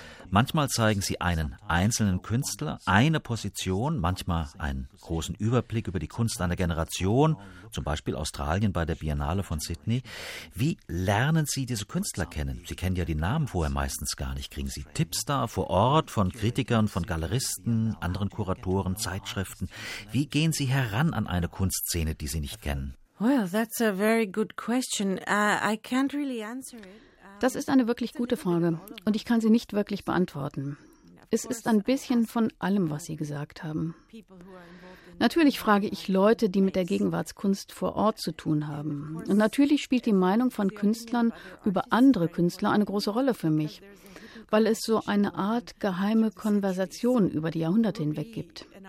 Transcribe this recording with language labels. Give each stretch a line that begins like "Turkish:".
German: Manchmal zeigen Sie einen einzelnen Künstler, eine Position, manchmal einen großen Überblick über die Kunst einer Generation, zum Beispiel Australien bei der Biennale von Sydney. Wie lernen Sie diese Künstler kennen? Sie kennen ja die Namen vorher meistens gar nicht. Kriegen Sie Tipps da vor Ort von Kritikern, von Galeristen, anderen Kuratoren, Zeitschriften? Wie gehen Sie heran an eine Kunstszene, die Sie nicht kennen?
English: Well, that's a very good question. I can't really answer it.
German: Das ist eine wirklich gute Frage und ich kann sie nicht wirklich beantworten. Es ist ein bisschen von allem, was Sie gesagt haben. Natürlich frage ich Leute, die mit der Gegenwartskunst vor Ort zu tun haben. Und natürlich spielt die Meinung von Künstlern über andere Künstler eine große Rolle für mich, weil es so eine Art geheime Konversation über die Jahrhunderte hinweg gibt.